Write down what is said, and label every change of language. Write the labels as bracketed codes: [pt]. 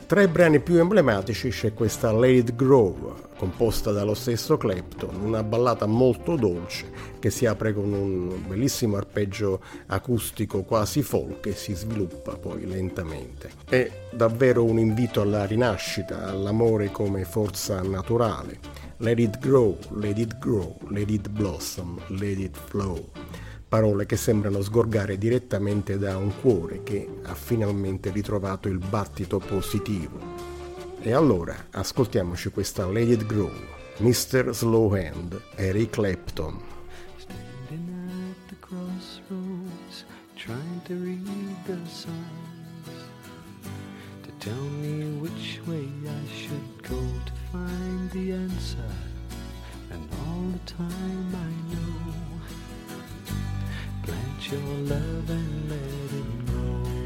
[it] Tra i brani più emblematici c'è questa Let It Grow, composta dallo stesso Clapton, una ballata molto dolce che si apre con un bellissimo arpeggio acustico quasi folk e si sviluppa poi lentamente. È davvero un invito alla rinascita, all'amore come forza naturale. [en] Let it grow, let it grow, let it blossom, let it flow. [it] Parole che sembrano sgorgare direttamente da un cuore che ha finalmente ritrovato il battito positivo. E allora ascoltiamoci questa Let It Grow, Mr. Slow Hand, Eric Clapton. [en] Standing at the crossroads, trying to read the signs, to tell me which way I should go to find the answer, and all the time I know, plant your love and let it grow.